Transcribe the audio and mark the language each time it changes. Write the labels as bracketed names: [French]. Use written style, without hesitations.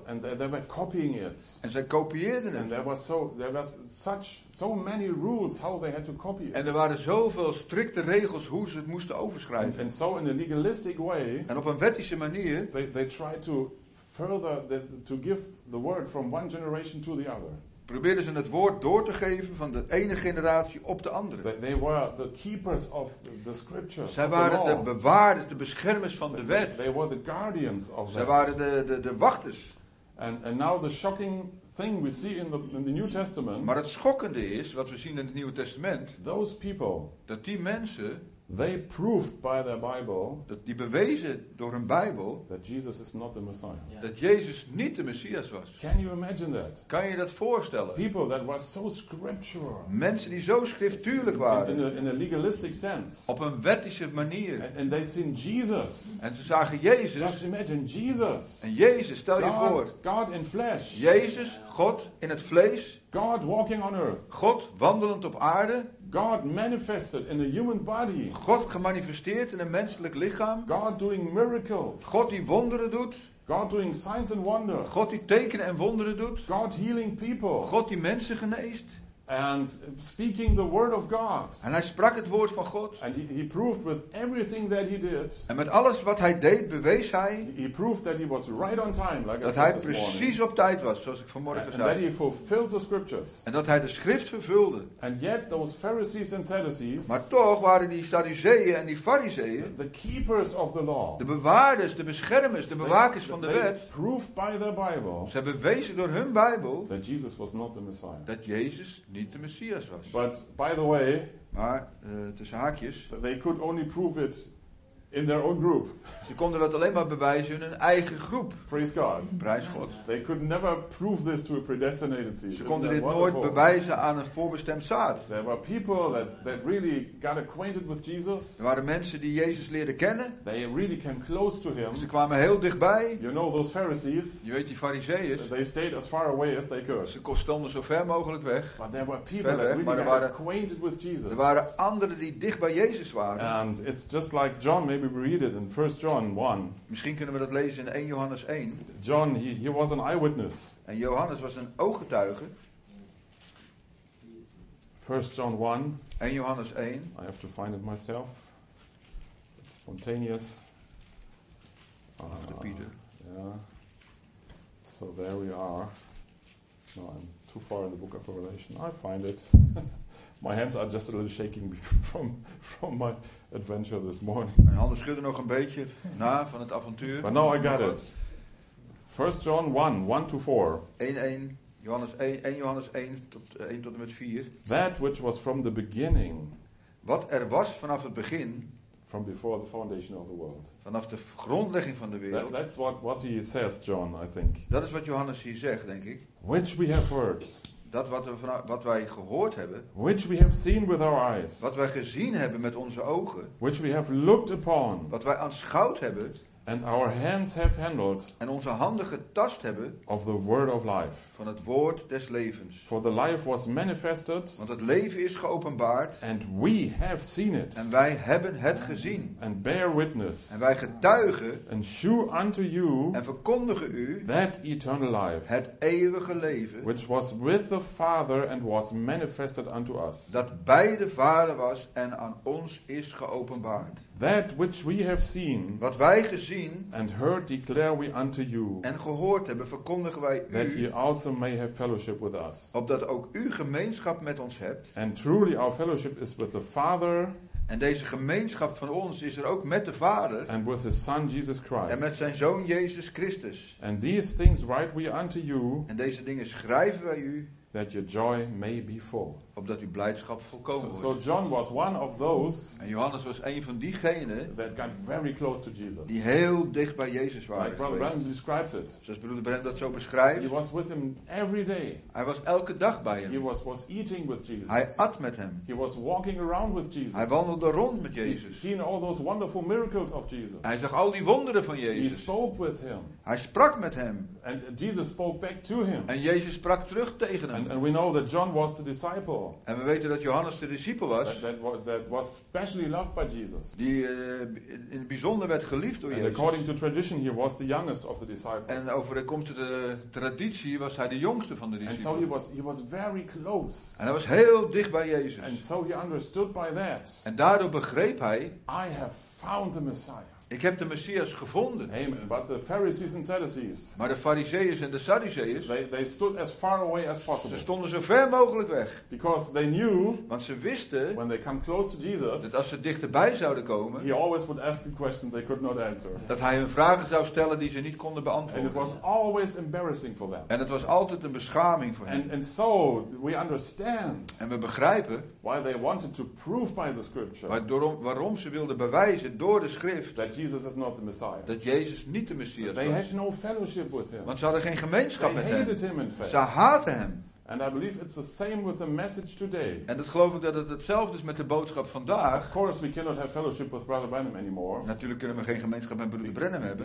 [English] And they were copying it. [Dutch] En zij kopieerden het. [English] And there was so many rules how they had to copy it. [Dutch] En er waren zoveel strikte regels hoe ze het moesten overschrijven. [English] And so in a legalistic way. [Dutch] En op een wettische manier. [English] They tried to further to give the word from one generation to the other. [Dutch] Probeerden ze het woord door te geven van de ene generatie op de andere. [English] They were the keepers of the scriptures. [Dutch] Zij waren de bewaarders, de beschermers van de wet. [English] They were the guardians of that. [Dutch] Zij waren de wachters. [English] And now the shocking thing we see in the New Testament. [Dutch] Maar het schokkende is wat we zien in het Nieuwe Testament. [English] Those people. [Dutch] Dat die mensen. [English] They proved by their Bible. [Dutch] Dat die bewezen door hun Bijbel. [English] That Jesus is not the Messiah. Yeah. [Dutch] Dat Jezus niet de Messias was. [English] Can you imagine that? [Dutch] Kan je dat voorstellen? [English] People that were so scriptural. [Dutch] Mensen die zo schriftuurlijk waren. [English] In a legalistic sense. [Dutch] Op een wettische manier. [English] And they seen Jesus. [Dutch] En ze zagen Jezus. [English] Just imagine Jesus. [Dutch] En Jezus, stel je voor. [English] God in flesh. [Dutch] Jezus, God in het vlees. [English] God walking on earth. [Dutch] God wandelend op aarde. [English] God manifested in a human body. [Dutch] God gemanifesteerd in een menselijk lichaam. [English] God doing miracles. [Dutch] God die wonderen doet. [English] God doing signs and wonders. [Dutch] God die tekenen en wonderen doet. [English] God healing people. [Dutch] God die mensen geneest. [English] And speaking the word of God. [Dutch] En hij sprak het woord van God. [English] And he proved with everything that he did. [Dutch] En met alles wat hij deed bewees hij. [English] He proved that he was right on time, like [Dutch] dat [English] I said [Dutch] hij precies [English] morning. [Dutch] Op tijd was, zoals ik vanmorgen [English] and [Dutch] zei. [English] That he fulfilled the scriptures. [Dutch] En dat hij de schrift vervulde. [English] And yet those Pharisees and Sadducees. [Dutch] Maar toch waren die Sadduceeën en die Farizeeën. [English] The keepers of the law. [Dutch] De bewaarders, de beschermers, de bewakers van de wet. [English] They proved by their Bible. [Dutch] Ze bewezen door hun Bijbel. [English] That Jesus was not the Messiah. [Dutch] Dat Jezus niet de Messias was. [English] But by the way, [Dutch] maar tussen haakjes, [English] they could only prove it In their own group. [Dutch] Ze konden dat alleen maar bewijzen in hun eigen groep. [English] Praise God. [Dutch] Prijs God. [English] They could never prove this to a predestinated seed. [Dutch] Ze konden dit nooit bewijzen aan een voorbestemd zaad. [English] There were people that really got acquainted with Jesus. [Dutch] Er waren mensen die Jezus leerden kennen. [English] They really came close to him. [Dutch] Ze kwamen heel dichtbij. [English] You know those Pharisees. [Dutch] Je weet die Farizeeën. [English] They stayed as far away as they could. [Dutch] Ze stonden zo ver mogelijk weg. [English] But there were people that really got acquainted with Jesus. [Dutch] Er waren anderen die dicht bij Jezus waren. [English] And it's just like John. Maybe we read it in 1 John 1. [Dutch] Misschien kunnen we dat lezen in 1 Johannes 1. [English] John, he was an eyewitness. [Dutch] En Johannes was een ooggetuige. [English] 1 John 1. [Dutch] 1 Johannes 1. [English] I have to find it myself. It's spontaneous. After Peter. Yeah. So there we are. No, I'm too far in the book of Revelation. I find it. My hands are just a little shaking from my adventure this morning. [Dutch] Mijn handen schudden nog een beetje na van het avontuur. [English] But now I got it. 1 John 1:1-4. [Dutch] 1 Johannes 1 Johannes 1 tot 1 tot en met 4. [English] That which was from the beginning. [Dutch] Wat er was vanaf het begin. [English] From before the foundation of the world. [Dutch] Vanaf de grondlegging van de wereld. [English] That's what he says, John, I think. [Dutch] Dat is wat Johannes hier zegt, denk ik. [English] Which we have heard. [Dutch] Dat wat wij gehoord hebben. [English] Which we have seen with our eyes. [Dutch] Wat wij gezien hebben met onze ogen. [English] Which we have looked upon. [Dutch] Wat wij aanschouwd hebben. [English] And our hands have handled. [Dutch] En onze handen getast hebben. [English] Of the word of life. [Dutch] Van het woord des levens. [English] For the life was manifested. [Dutch] Want het leven is geopenbaard. [English] And we have seen it. [Dutch] En wij hebben het gezien. [English] And bear witness. [Dutch] En wij getuigen. [English] And shew unto you. [Dutch] En verkondigen u. [English] That eternal life. [Dutch] Het eeuwige leven. [English] Which was with the Father and was manifested unto us. [Dutch] Dat bij de Vader was en aan ons is geopenbaard. [English] That which we have seen. [Dutch] Wat wij gezien. [English] And heard declare we unto you. [Dutch] En gehoord hebben verkondigen wij u. [English] That ye also may have fellowship with us. [Dutch] Opdat ook u gemeenschap met ons hebt. [English] And truly our fellowship is with the Father. [Dutch] En deze gemeenschap van ons is er ook met de Vader. [English] And with his Son Jesus Christ. [Dutch] En met zijn Zoon Jezus Christus. [English] And these things write we unto you. [Dutch] En deze dingen schrijven wij u. [English] That your joy may be full. [Dutch] Opdat uw blijdschap volkomen wordt. [English] So John was one of those. [Dutch] En Johannes was een van diegenen. [English] That got very close to Jesus. [Dutch] Die heel dicht bij Jezus waren. [English] Like Brother Branham describes it. [Dutch] Zoals Broeder Branham dat zo beschrijft. [English] He was with him every day. [Dutch] Hij was elke dag bij hem. [English] He was eating with Jesus. [Dutch] Hij at met hem. [English] He was walking around with Jesus. [Dutch] Hij wandelde rond met Jezus. [English] He seen all those wonderful miracles of Jesus. [Dutch] Hij zag al die wonderen van Jezus. [English] He spoke with him. [Dutch] Hij sprak met hem. [English] And Jesus spoke back to him. [Dutch] En Jezus sprak terug tegen hem. [English] And we know that John was the disciple. [Dutch] En we weten dat Johannes de discipel was. [English] That was specially loved by Jesus. [Dutch] Die in het bijzonder werd geliefd door [English] and [Dutch] Jezus. [English] According to tradition, he was the youngest of the disciples. [Dutch] En overeenkomstig de traditie was hij de jongste van de discipelen. [English] And so he was very close. [Dutch] En hij was heel dicht bij Jezus. [English] And so he understood by that. [Dutch] En daardoor begreep hij. [English] I have found the Messiah. [Dutch] Ik heb de Messias gevonden. [English] Amen. But the Pharisees and Sadducees. [Dutch] Maar de Farizeeën en de Sadduceeën. [English] They stood as far away as possible. [Dutch] Ze stonden zo ver mogelijk weg. [English] Because they knew. [Dutch] Want ze wisten. [English] When they come close to Jesus. [Dutch] Dat als ze dichterbij zouden komen. [English] He always would ask them questions they could not answer. [Dutch] Dat hij hun vragen zou stellen die ze niet konden beantwoorden. [English] And it was always embarrassing for them. [Dutch] En het was altijd een beschaming voor hen. [English] And so we understand. [Dutch] En we begrijpen. [English] Why they wanted to prove by the Scripture. [Dutch] Waarom ze wilden bewijzen door de Schrift. [English] Jesus is not the Messiah. [Dutch] Dat Jezus niet de Messias [English] they [Dutch] was. [English] Had no fellowship with him. [Dutch] Want ze hadden geen gemeenschap [English] they [Dutch] met [English] hated [Dutch] hem. [English] Him in fact. [Dutch] Ze haatten hem. [English] And I believe it's the same with the message today. [Dutch] En dat geloof ik dat het hetzelfde is met de boodschap vandaag. [English] Of course we cannot have fellowship with Brother Branham anymore. [Dutch] Natuurlijk kunnen we geen gemeenschap met Broeder Branham hebben.